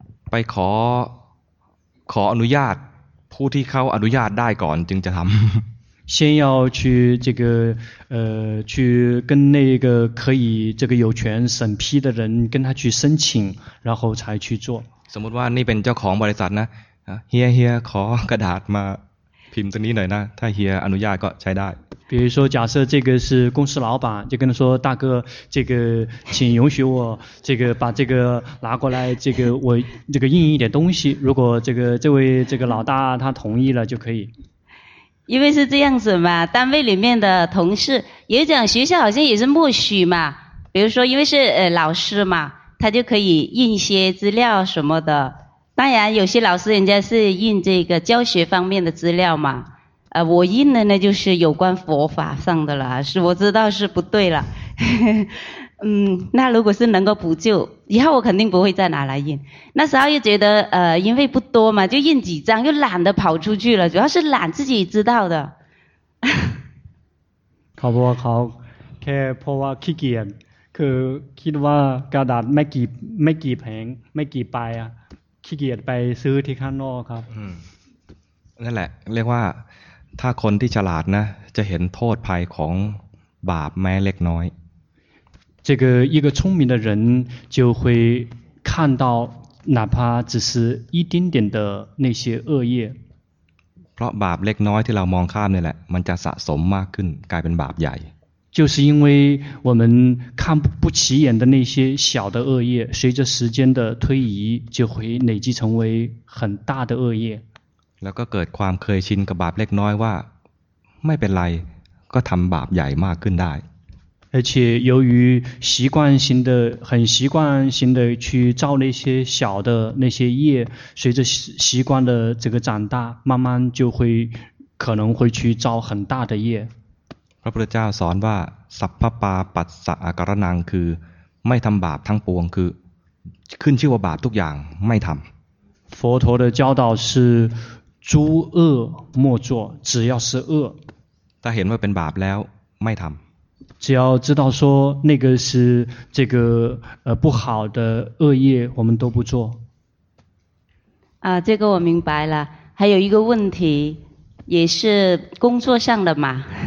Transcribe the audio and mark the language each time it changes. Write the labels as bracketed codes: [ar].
[th] ไปขออนุญาตผู้ที่เขาอนุญาตได้ก่อนจึงจะทำ [zh] 先要去这个去跟那个可以这个有权审批的人跟他去申请然后才去做 [th] สมมติว่านี่เป็นเจ้าของบริษัทนะเฮียขอกระดาษมาพิมพ์ตรงนี้หน่อยนะถ้าเฮียอนุญาตก็ใช้ได้ [zh] 比如说假设这个是公司老板就跟他说大哥这个请允许我这个把这个拿过来这个我这个印一点东西如果这个这位这个老大他同意了就可以因为是这样子嘛单位里面的同事也讲学校好像也是默许嘛比如说因为是老师嘛他就可以印一些资料什么的当然有些老师人家是印这个教学方面的资料嘛我印的呢就是有关佛法上的了是我知道是不对了那如果是能够补救以后我肯定不会再拿来印那时候又觉得因为不多嘛就印几张又懒得跑出去了主要是懒自己知道的好不好好 [th] แค่เพราะว่าขี้เกียจคือคิดว่ากระดาษไม่กี่แผงไม่กี่ใบอ่ะขี้เกียจไปซื้อที่ข้างนอกครับ นั่นแหละเรียกว่าถ้าคนที่ฉลาดนะจะเห็นโทษภัยของบาปแม้เล็กน้อย [zh] 这个一个聪明的人就会看到哪怕只是一丁点的那些恶业 [th] เพราะบาปเล็กน้อยที่เรามองข้ามนี่แหละมันจะสะสมมากขึ้นกลายเป็นบาปใหญ่ [zh] 就是因为我们看不起眼的那些小的恶业随着时间的推移就会累积成为很大的恶业 [th] แล้วก็เกิดความเคยชินกับบาปเล็กน้อยว่าไม่เป็นไรก็ทำบาปใหญ่มากขึ้นได้ [zh] 而且由于习惯性的很习惯性的去造那些小的那些业，随着习惯的这个长大，慢慢就会可能会去造很大的业。 [th] พระพุทธเจ้าสอนว่าสัพพาปัสสะอาการนังคือไม่ทำบาปทั้งปวงคือขึ้นชื่อว่าบาปทุกอย่างไม่ทำ [zh] 佛陀的教导是诸恶莫作，只要是恶。 [th] ถ้าเห็นว่าเป็นบาปแล้วไม่ทำ [zh] 只要知道说那个是这个不好的恶业，我们都不做。啊，这个我明白了。还有一个问题，也是工作上的嘛。